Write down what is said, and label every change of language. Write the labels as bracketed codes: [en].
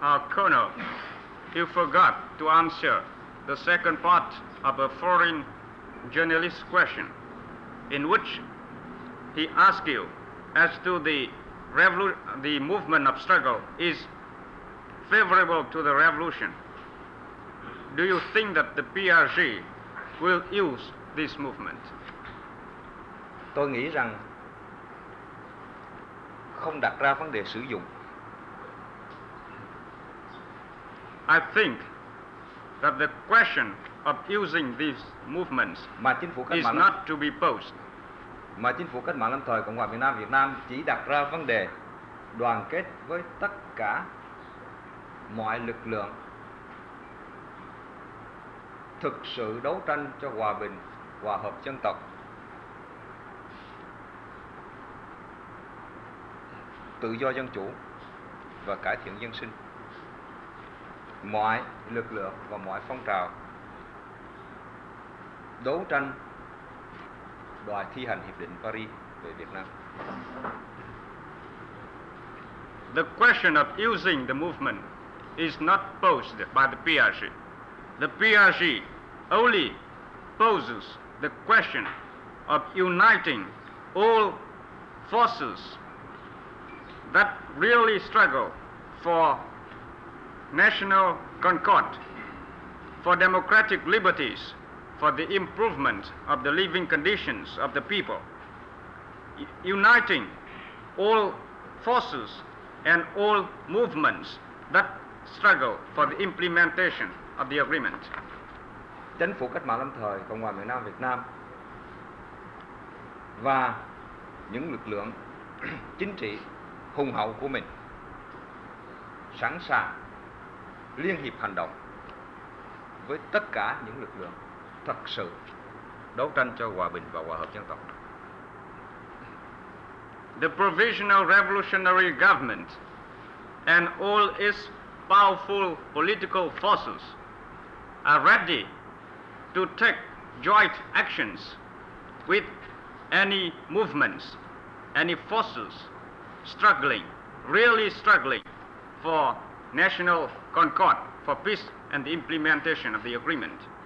[en] Colonel, you forgot to answer the second part of a foreign journalist's question, in which he asked you as to the movement of struggle is favorable to the revolution. Do you think that the PRG will use this movement? [vi] Tôi nghĩ rằng không đặt ra vấn đề sử dụng. [en] I think that the question of using these movements [vi] mà chính phủ cách [en] is not to be posed. [vi] Mà chính phủ cách mạng lâm thời Cộng hòa miền Nam Việt Nam chỉ đặt ra vấn đề đoàn kết với tất cả mọi lực lượng thực sự đấu tranh cho hòa bình, hòa hợp dân tộc. Tự do dân chủ và cải thiện dân sinh. Mọi lực lượng và mọi phong trào đấu tranh đòi thi hành Hiệp định Paris về Việt Nam. [en] The question of using the movement is not posed by the PRG. The PRG only poses the question of uniting all forces that really struggle for national concord, for democratic liberties, for the improvement of the living conditions of the people, uniting all forces and all movements that struggle for the implementation of the agreement. [vi] Chính phủ cách mạng lâm thời Cộng hòa miền Nam Việt Nam và những lực lượng chính trị hùng hậu của mình sẵn sàng liên hiệp hành động với tất cả những lực lượng thật sự đấu tranh cho hòa bình và hòa hợp dân tộc. [en] The Provisional Revolutionary Government and all its powerful political forces are ready to take joint actions with any movements, any forces struggling, really struggling for national concord, for peace and the implementation of the agreement.